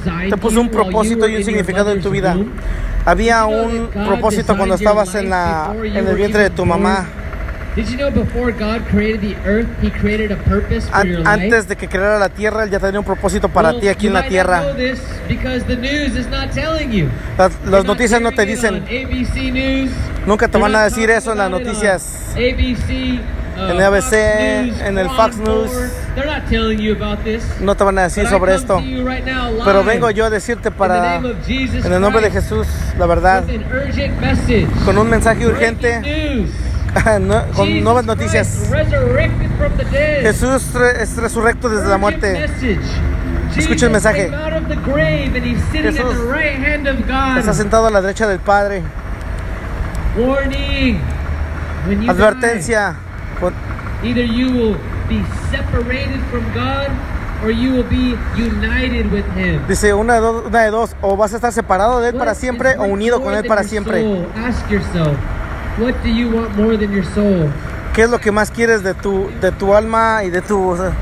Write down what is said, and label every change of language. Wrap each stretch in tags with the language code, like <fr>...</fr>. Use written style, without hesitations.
<es>Te puso un propósito y un significado en tu vida. Había un propósito cuando estabas en el vientre de tu mamá.</es> <en>Did you know before God created the earth, he created a purpose for your life?</en> <es>Antes de que creara la tierra, él ya tenía un propósito para ti aquí en la tierra.</es> <en>You might not know this because the news is not telling you.</en> <es>Las noticias no te dicen.</es> <en>ABC News.</en> <es>Nunca te van a decir eso en las noticias.</es> <en>ABC,</en> <es>en ABC, en el Fox News.</es> <en>They're not telling you about this.</en> <es>No te van a decir sobre esto. Pero vengo yo a decirte para, en el nombre de Jesús, la verdad.</es> <en>With an urgent message.</en> <es>Con un mensaje urgente. No, con</es> <en>Jesus</en> <es>nuevas noticias.</es> <en>Christ,</en> <es>Jesús es resurrecto desde la muerte. Escucha el mensaje. Jesús está sentado a la derecha del Padre.</es> <en>Warning.</en> <es>Advertencia.</es> <en>Either you will be separated from God or you will be united with him.</en> <es>Dice una de dos, o vas a estar separado de él para siempre o unido con él para siempre.</es> <en>Ask yourself. What do you want more than your soul?</en> <es>¿Qué es lo que más quieres de tu alma y de tu?</es>